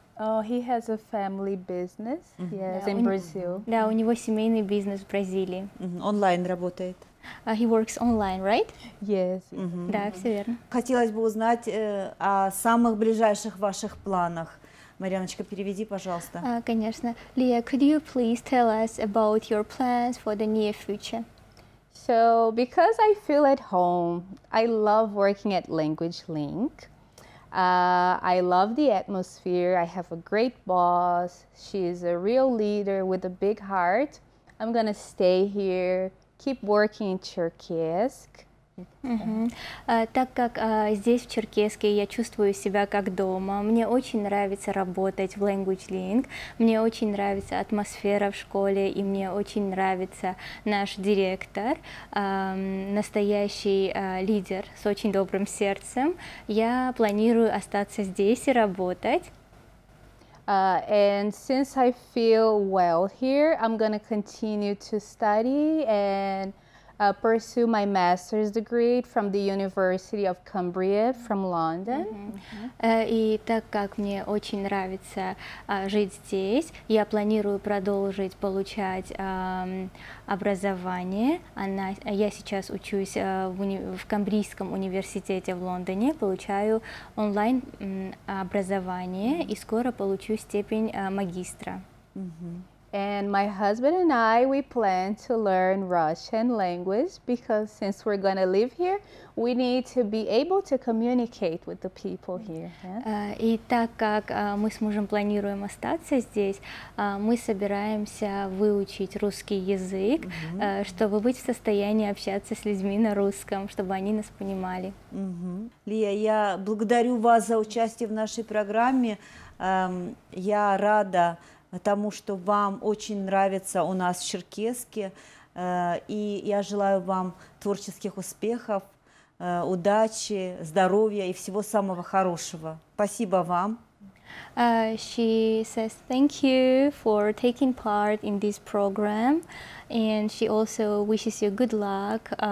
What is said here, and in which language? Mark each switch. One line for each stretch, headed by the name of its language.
English: Oh, he has a family business, yes, in Brazil.
Russian: Да, у него семейный бизнес в Бразилии. Онлайн работает.
English: He works online, right? Yes.
Russian: Да, все верно. Хотелось бы узнать о самых ближайших ваших планах. Марьяночка, переведи, пожалуйста. Конечно.
English: Lia, could you please tell us about your plans for the near future? So, because I feel at home, I love working at Language Link. I love the atmosphere. I have a great boss. She is a real leader with a big heart. I'm gonna stay here, keep working in Cherkessk.
Russian: Так как здесь, в Черкесске, я чувствую себя как дома, мне очень нравится работать в Language Link, мне очень нравится атмосфера в школе, и мне очень нравится наш директор, настоящий лидер с очень добрым сердцем. Я планирую остаться здесь и работать.
English: And since I feel well here, I'm gonna continue to study and pursue my master's degree from the University of Cumbria, from London.
Russian: И так как мне очень нравится жить здесь, я планирую продолжить получать образование. Я сейчас учусь в Камбрийском университете в Лондоне, получаю онлайн образование и скоро получу степень магистра.
English: And my husband and I, we plan to learn Russian language because since we're going to live here, we need to be able to communicate with the people here.
Russian: И так как мы с мужем планируем остаться здесь, мы собираемся выучить русский язык, чтобы быть в состоянии общаться с людьми на русском, чтобы они нас понимали. Лия, я благодарю вас за участие в нашей программе. Я рада тому, что вам очень нравится у нас в Черкесске, и я желаю вам творческих успехов, удачи, здоровья и всего самого хорошего. Спасибо вам.
English: She says thank you for taking part in this program, and she also wishes you good luck